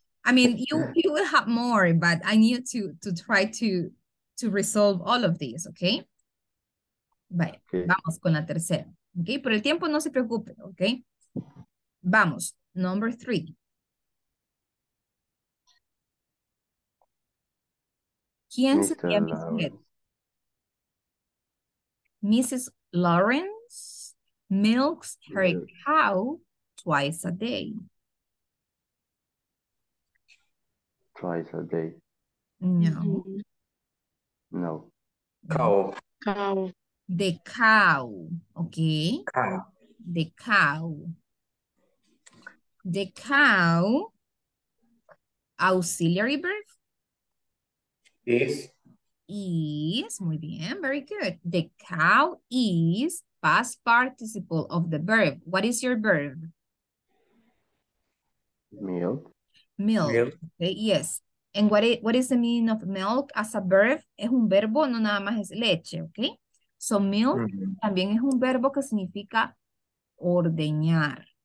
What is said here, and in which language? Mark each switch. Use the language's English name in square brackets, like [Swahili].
[English] I mean, you will have more, but I need to try to resolve all of these, okay? [Spanish] Vale, okay. Vamos con la tercera. Okay, por el tiempo no se preocupe, okay? Vamos, [English] number three. [Spanish] ¿Quién sería Miss Head? [English] Mrs. Lawrence milks her cow twice a day. Twice a day? No. No. Cow. Cow. The cow. Okay. Cow. The cow. The cow. Auxiliary verb. Is. [Spanish] Muy bien. [English] Very good. The cow is past participle of the verb. What is your verb? Milk. Milk. Okay, yes. And what is the meaning of milk as a verb? [Spanish] Es un verbo, no nada más es leche, okay? So milk también es un verbo que significa ordeñar.